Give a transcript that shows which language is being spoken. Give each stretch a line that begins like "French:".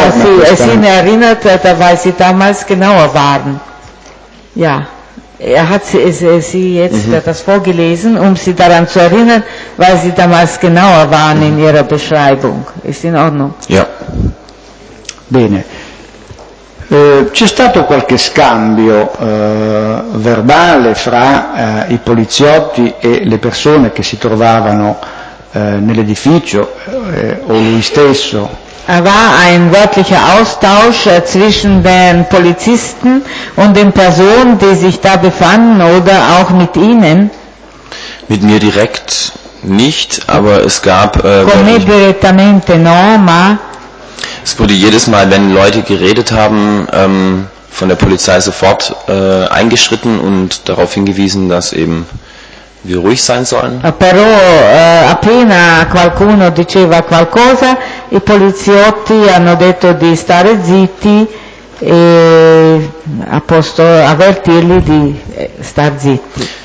Italian: yeah, sì, questa...
German: Sì, ne erinnert, da weil sie damals genauer waren. Ja, hat sie jetzt das vorgelesen, sie daran zu erinnern, weil sie damals genauer waren in ihrer Beschreibung. Ist in Ordnung? Ja.
Italian: Bene. C'è stato qualche scambio verbale fra i poliziotti e le persone che si trovavano nell'edificio o lui stesso?
German: War ein wörtlicher Austausch zwischen den Polizisten und den Personen, die sich da befanden oder auch mit ihnen? Mit mir direkt nicht, aber es gab
Italian: con me direttamente no, ma
German: es wurde jedes Mal, wenn Leute geredet haben, von der Polizei sofort eingeschritten und darauf hingewiesen, dass eben wir ruhig sein sollen.
Italian: Però appena qualcuno diceva qualcosa, i poliziotti hanno detto di stare zitti e a posto avvertirli di star zitti.